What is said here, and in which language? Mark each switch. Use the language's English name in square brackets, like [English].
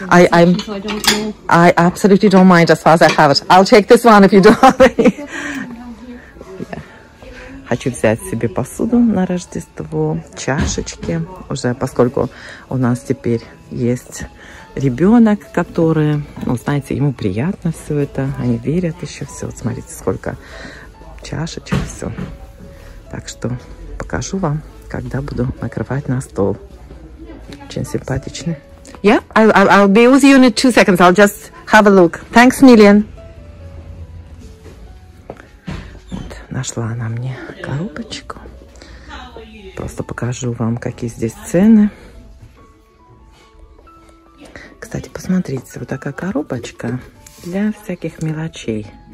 [English] I absolutely don't mind as far as I have it. I'll take this one if you don't have any. [Russian] Хочу взять себе посуду на Рождество, чашечки. Уже поскольку у нас теперь есть ребенок, который, ну, знаете, ему приятно все это. Они верят еще все. Вот смотрите, сколько чашечек, все. Так что покажу вам, когда буду накрывать на стол. Очень симпатичный. [English] Yeah, I'll be with you in 2 seconds. I'll just have a look. Thanks, Million. [Russian] Вот, нашла она мне коробочку. Просто покажу вам, какие здесь цены. Кстати, посмотрите, вот такая коробочка для всяких мелочей.